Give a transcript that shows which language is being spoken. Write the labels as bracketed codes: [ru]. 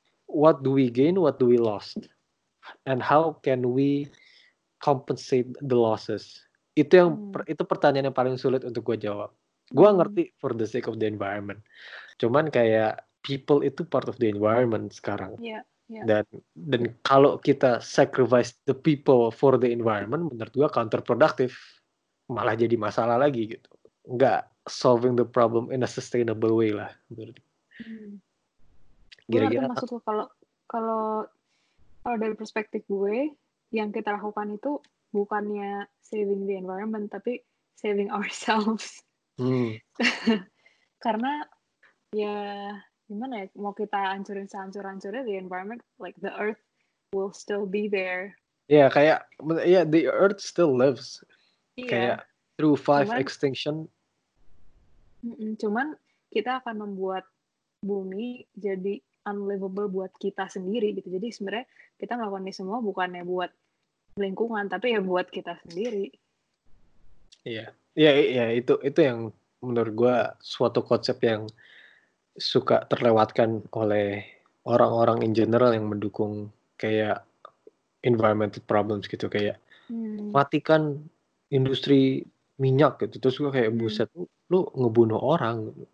[en] what do we gain, what do we lost, and how can we compensate the losses? [id] Itu yang itu pertanyaan yang paling sulit untuk gue jawab. Gue ngerti [en] for the sake of the environment, [id] cuman kayak [en] people itu part of the environment sekarang. Yeah. Yeah. [id] Dan kalau kita [en] sacrifice the people for the environment, [id] menurut gue counterproductive, malah jadi masalah lagi gitu. Nggak [en] solving the problem in a sustainable way lah. [id] Gue ngerti maksud lo, kalau dari perspektif gue, yang kita lakukan itu bukannya [en] saving the environment, [id] tapi [en] saving ourselves. [id] Karena ya gimana ya, mau kita hancurin sehancur-hancurnya [en] the environment, like the earth will still be there. Ya, yeah, kayak yeah, the earth still lives. Yeah. Kayak through 5 extinction. [id] Cuman kita akan membuat bumi jadi [en] unlivable [id] buat kita sendiri gitu. Jadi sebenarnya kita melakukan ini semua bukannya buat lingkungan, tapi ya buat kita sendiri. Iya. Yeah. Ya, yeah, ya yeah, itu yang menurut gua suatu konsep yang suka terlewatkan oleh orang-orang [en] in general [id] yang mendukung kayak [en] environmental problems [id] gitu, kayak matikan industri minyak gitu, terus gua kayak buset, lu ngebunuh orang.